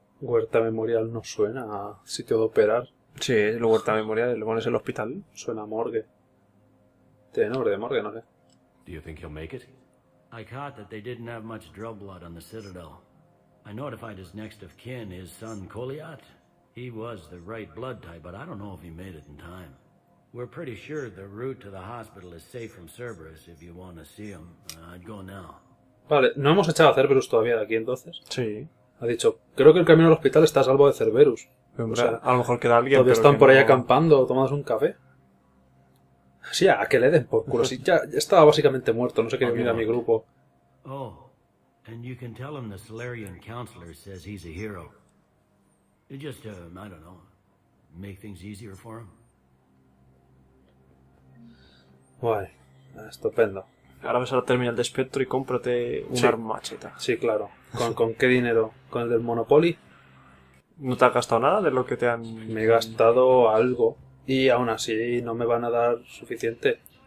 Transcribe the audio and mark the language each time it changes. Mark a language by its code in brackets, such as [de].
[es] Huerta Memorial no suena a sitio de operar. Sí, el Huerta Memorial, lo pones en el hospital. Suena a morgue. Tiene nombre de morgue, no sé. [en] Do you think he'll make it? I caught that they didn't have much drill blood on the Citadel. I notified his next of kin, his son Koliat. He was the right blood type, but I don't know if he made it in time. We're pretty sure the route to the hospital is safe from Cerberus if you want to see him. I'd go now. [es] Vale, no hemos echado a Cerberus todavía de aquí entonces. Sí. Ha dicho, creo que el camino al hospital está a salvo de Cerberus. Pero, o sea, a lo mejor queda alguien. Todavía están por ahí acampando, tomados un café. Sí, a que le den por culo. Sí, ya estaba básicamente muerto, no sé qué le mira a mi grupo. [en] Oh, and you can tell him the Solarian counselor says he's a hero. Just, I don't know, make things easier for him. [es] Guay, estupendo. Ahora ves a la terminal de Spectre y cómprate una armacheta. Sí, claro. ¿Con qué dinero? ¿Con el del Monopoly? ¿No te has gastado nada de lo que te han...? Me he gastado algo y aún así no me van a dar suficiente.